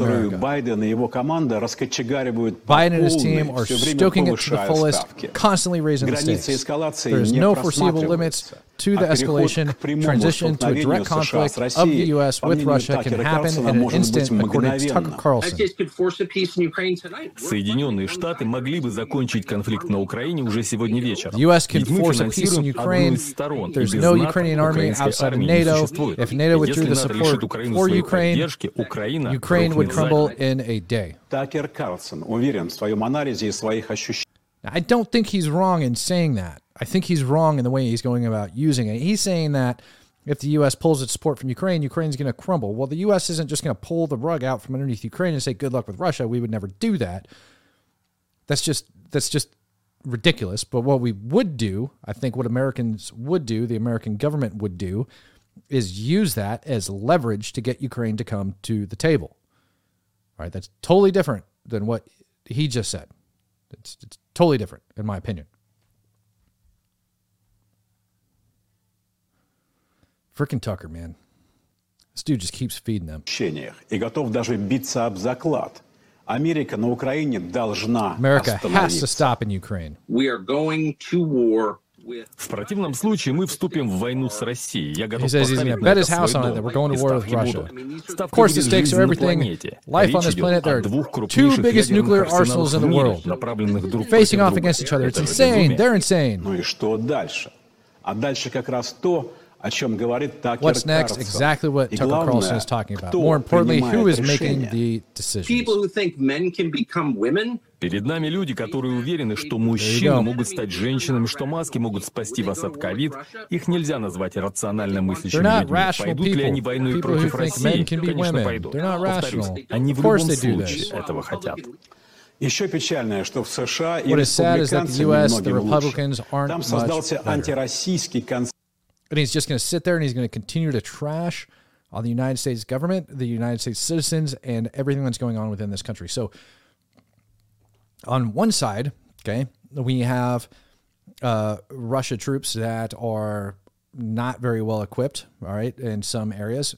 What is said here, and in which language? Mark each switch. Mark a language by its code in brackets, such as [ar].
[en] Biden and his team are stoking it to the fullest, constantly raising the stakes. There is no foreseeable limits to the escalation, transition to a direct conflict of the U.S. with Russia can happen in an instant, according to Tucker Carlson. [ru] Соединенные Штаты могли бы закончить конфликт на Украине уже сегодня вечером. [en] U.S. can force a peace in Ukraine. There's no Ukrainian army outside of NATO. If NATO withdrew the support for Ukraine, Ukraine would crumble in a day. [ru] Такер Карлсон уверен в своем анализе и своих ощущениях. [en] I don't think he's wrong in saying that. I think he's wrong in the way he's going about using it. He's saying that if the U.S. pulls its support from Ukraine, Ukraine's going to crumble. Well, the U.S. isn't just going to pull the rug out from underneath Ukraine and say, good luck with Russia. We would never do that. That's just ridiculous. But what we would do, I think what Americans would do, the American government would do, is use that as leverage to get Ukraine to come to the table. All right, that's totally different than what he just said. It's totally different, in my opinion. Freaking Tucker, man. This dude just keeps feeding them. [ru] И готов даже биться об заклад. Америка на Украине должна [en] America [ru] остановиться. [en] Has to stop in Ukraine. We are going to war with... [ru] В противном случае мы вступим в войну с Россией. Я готов [en] he says he's going to bet his house on it that we're going to war with Russia. Of course, the stakes are everything. Life on this planet, there are two biggest nuclear arsenals in the world facing off against each other. It's insane. They're insane. [ru] Ну и что дальше? А дальше как раз то... О чем говорит Такер Карлсон. [en] What's next? Exactly what Tucker Carlson is talking about. More importantly, who is making the decisions? People who think men can become women. [ru] Перед нами люди, которые уверены, что мужчины могут стать женщинами, что маски могут спасти вас от ковид. Их нельзя назвать рационально мыслящими людьми. Пойдут ли они войной против России? Конечно, пойдут. Повторюсь, они в любом случае этого хотят. Еще печальное, что в США и республиканцы немного лучше. Там создался антироссийский концепт. [en] And he's just going to sit there and he's going to continue to trash on the United States government, the United States citizens, and everything that's going on within this country. So on one side, okay, we have Russia troops that are not very well equipped, all right, in some areas.